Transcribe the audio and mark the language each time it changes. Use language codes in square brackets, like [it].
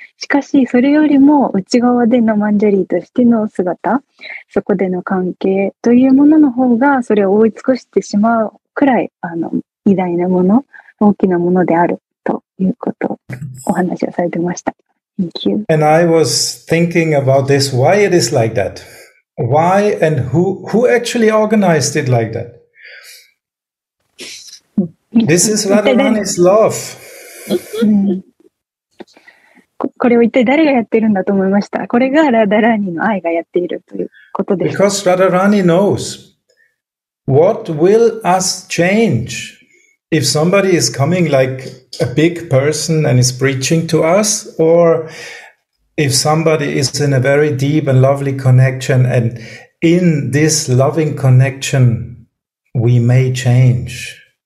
[ja] しかし、それよりも内側でのマンジャリーとしての姿、そこでの関係というものの方が、それを覆い尽くしてしまうくらい偉大なもの、大きなものであるということをお話をされてました。 [en] Thank you. And I was thinking about this, why it is like that? Why and who actually organized it like that? This is Radharani's love. [ja] これを一体誰がやってるんだと思いました。これがラダラーニの愛がやっているということです。 [en] Because Radharani knows what will us change if somebody is coming like a big person and is preaching to us, or if somebody is in a very deep and lovely connection, and in this loving connection we may change.